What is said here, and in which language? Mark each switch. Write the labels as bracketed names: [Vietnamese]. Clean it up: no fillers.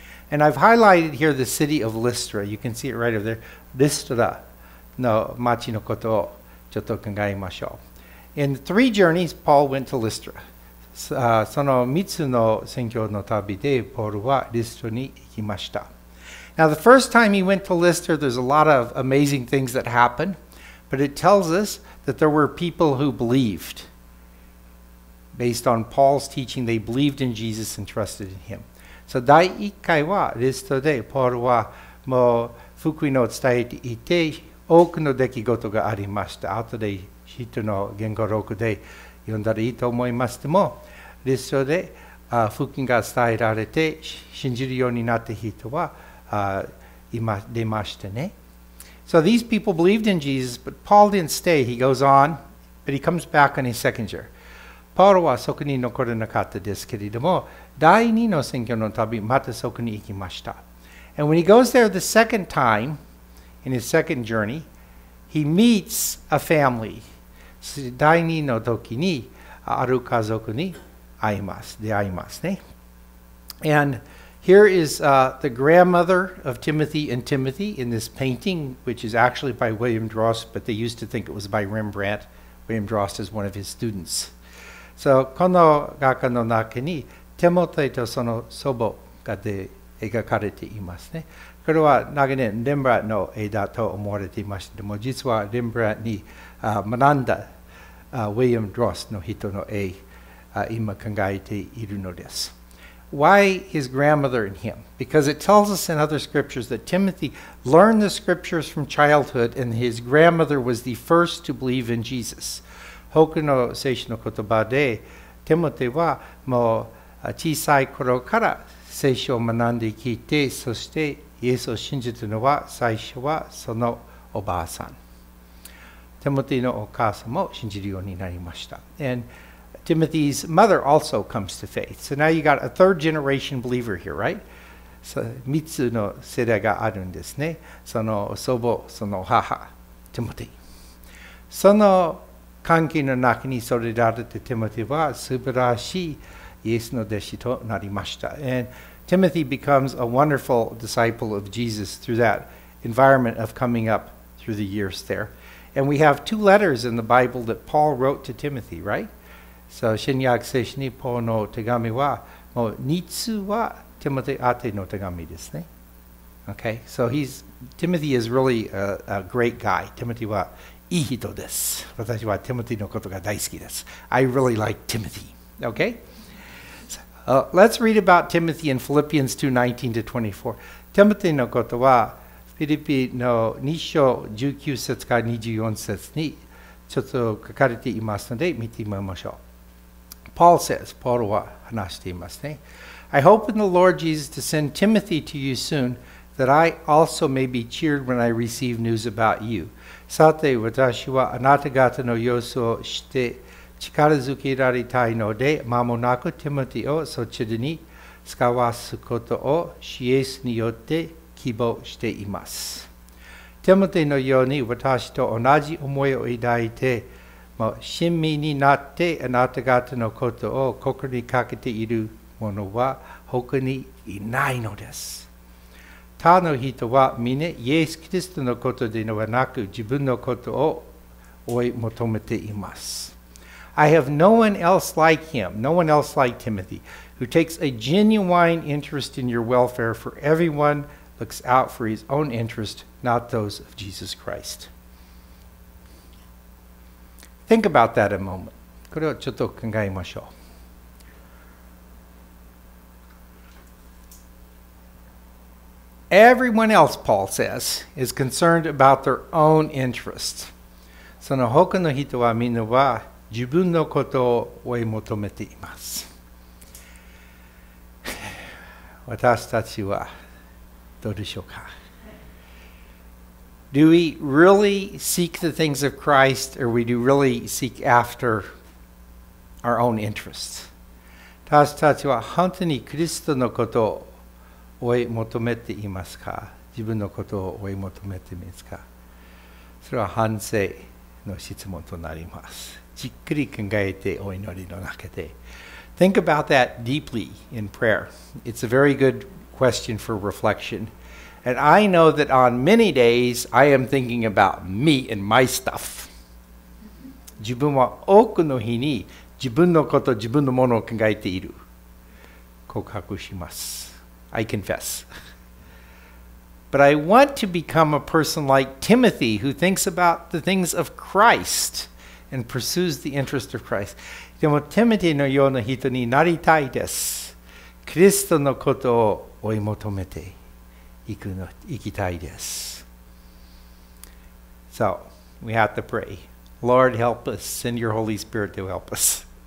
[English] And I've highlighted here the city of Lystra. You can see it right over there. Lystra. [Japanese] の町のことをちょっと考えましょう。 [English] In three journeys, Paul went to Lystra. [Japanese] その3つの宣教の旅で、ポールはリストに行きました。 [English] Now, the first time he went to Lystra, there's a lot of amazing things that happened, but it tells us that there were people who believed. Based on Paul's teaching, they believed in Jesus and trusted in him. [Japanese] So, 第一回はリストで、ポールはもう福音を伝えていて、多くの出来事がありました。後で、シートの言語録で読んだらいいと思いますでも、リストで福音が伝えられて、信じるようになった人は今出ましたね。 [English] So these people believed in Jesus, but Paul didn't stay. He goes on, but he comes back on his second year. [Japanese] Paul はそこに残れなかったですけれども、第二の宣教の旅、またそこに行きました。 [English] And when he goes there the second time, in his second journey, he meets a family. [Japanese] 第二の時にある家族に会います。出会いますね。 [English] And here is the grandmother of Timothy and Timothy in this painting, which is actually by William Drost, but they used to think it was by Rembrandt. William Drost is one of his students. [Japanese] So, この画家の中に、テモテとその祖母が描かれていますね。これは長年レンブラントの絵だと思われていましたけども、実はレンブラントに学んだウィリアム・ドロスの人の絵、今考えているのです。 [English] Why his grandmother and him? Because it tells us in other scriptures that Timothy learned the scriptures from childhood and his grandmother was the first to believe in Jesus. [Japanese] 他の聖書の言葉で、テモテはもう小さい頃から聖書を学んで聞いて、そしてイエスを信じたのは最初はそのおばあさん。テモティのお母さんも信じるようになりました。 [English] And Timothy's mother also comes to faith. So now you got a third generation believer here, right? [Japanese] So, 三つの世代があるんですね。その祖母、その母、テモティ。その関係の中に育てられてテモティは素晴らしいイエスの弟子となりました。 [English] And Timothy becomes a wonderful disciple of Jesus through that environment of coming up through the years there. And we have two letters in the Bible that Paul wrote to Timothy, right? [Japanese] So, 新約聖書にポールの手紙は、もう二つはテモテ宛ての手紙ですね。 [English] Okay, so Timothy is really a great guy. [Japanese] Timothy はいい人です。私はテモテのことが大好きです。 [English] I really like Timothy. Okay? Let's read about Timothy in Philippians 2:19-24. [Japanese] Timothy のことは、フィリピの2章19節から24節にちょっと書かれていますので、見てみましょう。 [English] Paul says, Paul [Japanese] は話していますね。 [English] I hope in the Lord Jesus to send Timothy to you soon, that I also may be cheered when I receive news about you. [Japanese] さて、私はあなた方の様子を知って、力づけられたいので、間もなくテモテをそちらに使わすことを主イエスによって希望しています。テモテのように私と同じ思いを抱いて、もう親身になってあなた方のことを心にかけている者は他にいないのです。他の人は皆イエス・キリストのことではなく自分のことを追い求めています。 [English] I have no one else like him, no one else like Timothy, who takes a genuine interest in your welfare, for everyone looks out for his own interest, not those of Jesus Christ. Think about that a moment. [Japanese] これをちょっと考えましょう。 [English] Everyone else, Paul says, is concerned about their own interests. [Japanese] その他の人はみんなは自分のことを追い求めています。私たちはどうでしょうか? [English] Do we really seek the things of Christ, or we do really seek after our own interests? [Japanese] 私たちは本当にキリストのことを追い求めていますか? 自分のことを追い求めていますか?それは反省の質問となります。じっくり考えてお祈りの中で。 [English] Think about that deeply in prayer. It's a very good question for reflection. And I know that on many days I am thinking about me and my stuff. [Japanese] 自分は多くの日に自分のこと、自分のものを考えている。告白します。 [English] I confess. But I want to become a person like Timothy who thinks about the things of Christ and pursues the interest of Christ. [Japanese] でも、テモテのような人になりたいです。キリストのことを追い求めて行きたいです。 [English] So, we have to pray. Lord, help us. Send your Holy Spirit to help us.